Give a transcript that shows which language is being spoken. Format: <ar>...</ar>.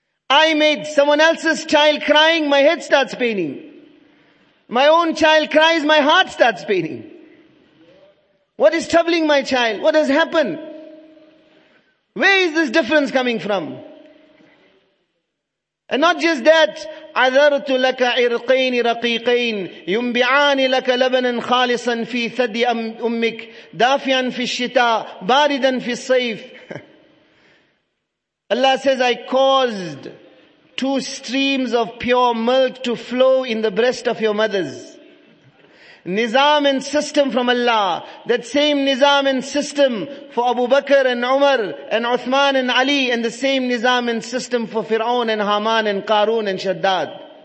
<en>I made someone else's child crying, my head starts paining. My own child cries, my heart starts paining. What is troubling my child? What has happened? Where is this difference coming from? And not just that,</en> <ar>عَذَرْتُ لَكَ عِرْقَيْنِ رَقِيقَيْنِ يُنْبِعَانِ لَكَ لَبَنًا خَالِصًا فِي ثَدِّ أُمِّكَ دَافِيًا فِي الشِّتَاءِ بَارِدًا فِي الصَّيْفِ.</ar> <en>Allah says, I caused two streams of pure milk to flow in the breast of your mothers. Nizam and system from Allah. That same Nizam and system for Abu Bakr and Umar and Uthman and Ali, and the same Nizam and system for Fir'aun and Haman and Qarun and Shaddad.</en>